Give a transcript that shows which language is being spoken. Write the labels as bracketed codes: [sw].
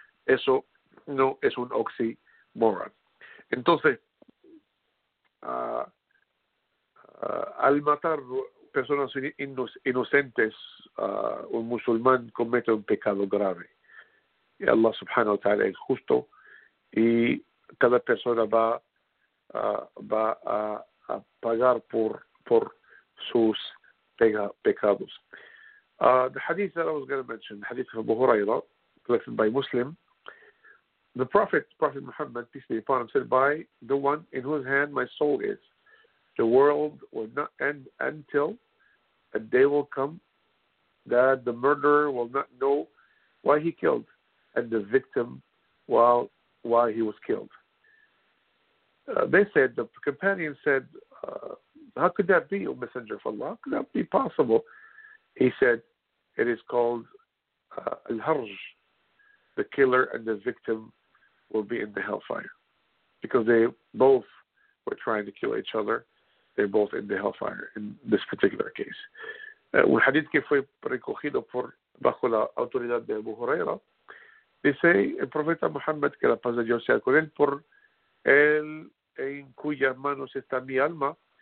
[es] Eso no es un oxímoron. Entonces, al matar personas inocentes, un musulmán comete un pecado grave. Y Allah [ar] subhanahu wa ta'ala [es] es justo y cada persona va a pagar por sus pecados. [en] The hadith that I was going to mention, the hadith of Abu Huraira, collected by Muslim, the Prophet Muhammad, peace be upon him, said, "By the one in whose hand my soul is, the world will not end until a day will come that the murderer will not know why he killed, and the victim why he was killed." The companion said, "How could that be, O Messenger of Allah? How could that be possible?" He said, "It is called al-harj. The killer and the victim will be in the hellfire, because they both were trying to kill each other. They're both in the hellfire in this particular case." [es] Un hadith que fue recogido bajo la autoridad de Abu Huraira, dice el profeta Muhammad, que la paz de Dios sea con él, por él en cuyas manos está mi alma,